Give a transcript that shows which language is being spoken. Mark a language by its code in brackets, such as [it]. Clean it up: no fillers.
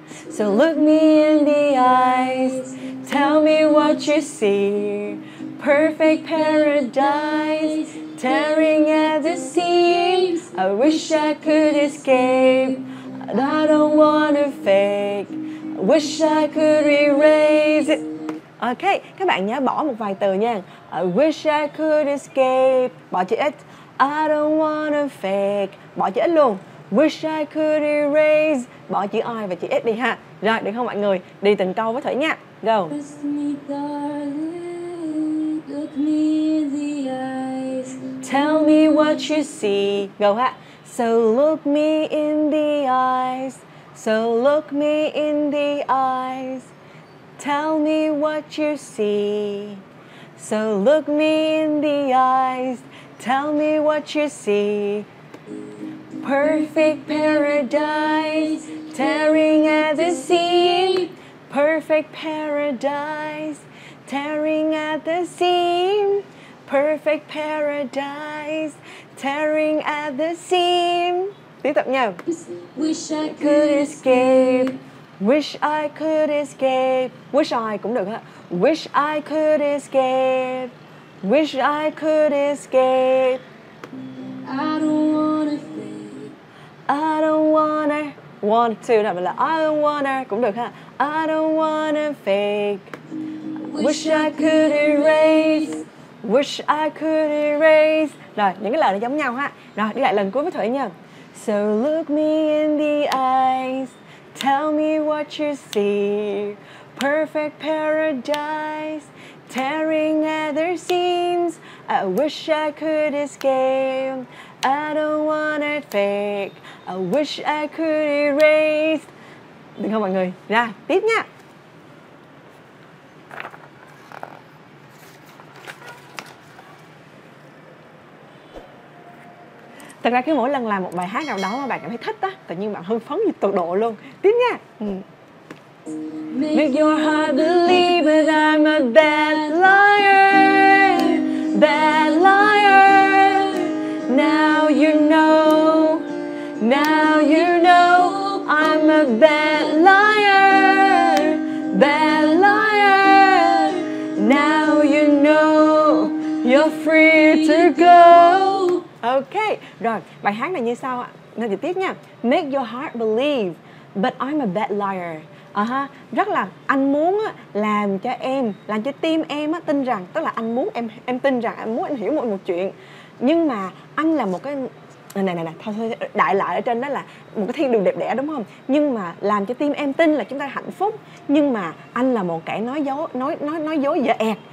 [en] So look me in the eyes, tell me what you see. Perfect paradise, tearing at the seams. I wish I could escape, I don't wanna fake. Wish I could erase it. [vi] Ok, các bạn nhớ bỏ một vài từ nha. [en] I wish I could escape, [vi] bỏ chữ it. [en] I don't wanna fake, [vi] bỏ chữ it luôn. [en] Wish I could erase. [vi] Bỏ chữ I và chữ S đi ha. Rồi, được không mọi người? Đi từng câu với Thủy nha. [en] Go. Kiss me darling, look me in the eyes, tell me what you see. Go ha. So look me in the eyes, so look me in the eyes, tell me what you see. So look me in the eyes, tell me what you see. Perfect paradise, tearing at the seam. Perfect paradise, tearing at the seam. Perfect paradise, tearing at the seam. [vi] Tiếp tục nhau. [en] Wish I could escape. Wish I could escape. Wish I [vi] cũng được ha. [en] Wish I could escape. Wish I could escape. I don't wanna fade. I don't wanna want to, [vi] là mình là [en] I don't wanna [vi] cũng được ha. [en] I don't wanna fake. Wish I could erase. Wish I could erase. [vi] Rồi, những cái lời nó giống nhau ha. Rồi, đi lại lần cuối với Thủy nha. [en] So look me in the eyes, tell me what you see. Perfect paradise, tearing at the seams. I wish I could escape. I don't want it fake. I wish I could erase. [vi] Đừng không mọi người. Ra, tiếp nha. Thật ra cứ mỗi lần làm một bài hát nào đó mà bạn cảm thấy thích á, tự nhiên bạn hưng phấn như tột độ luôn. Tiếp nha. [en] Make your heart believe that I'm a bad liar, bad liar. Now you know, now you know I'm a bad liar, bad liar. Now you know, you're free to go. [vi] Ok, rồi, bài hát này như sau ạ. Nên dịch tiếp nha. [en] Make your heart believe, but I'm a bad liar. Uh-huh. [vi] Rất là anh muốn làm cho em, làm cho tim em tin rằng, tức là anh muốn em tin rằng, anh muốn em hiểu mọi một chuyện. Nhưng mà anh là một cái, thôi, đại loại ở trên đó là một cái thiên đường đẹp đẽ đúng không? Nhưng mà làm cho tim em tin là chúng ta hạnh phúc. Nhưng mà anh là một kẻ nói dối dở ẹt.